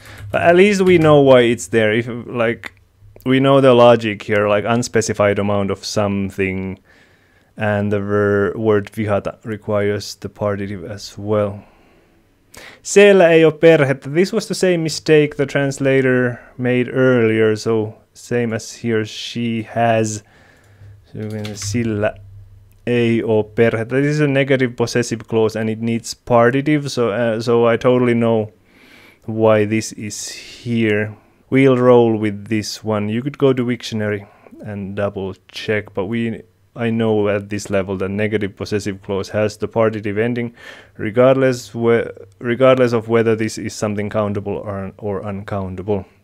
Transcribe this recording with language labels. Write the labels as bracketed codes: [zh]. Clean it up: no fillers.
[en] But at least we know why it's there. If, like, we know the logic here, like unspecified amount of something, and the word vihata requires the partitive as well. [fi] Siellä ei ole perhettä. [en] This was the same mistake the translator made earlier, so same as here, she has. So [fi] sillä ei ole perhettä. [en] This is a negative possessive clause and it needs partitive, so I totally know why this is here. We'll roll with this one. You could go to Wiktionary and double check, but I know at this level that negative possessive clause has the partitive ending, regardless of whether this is something countable or uncountable.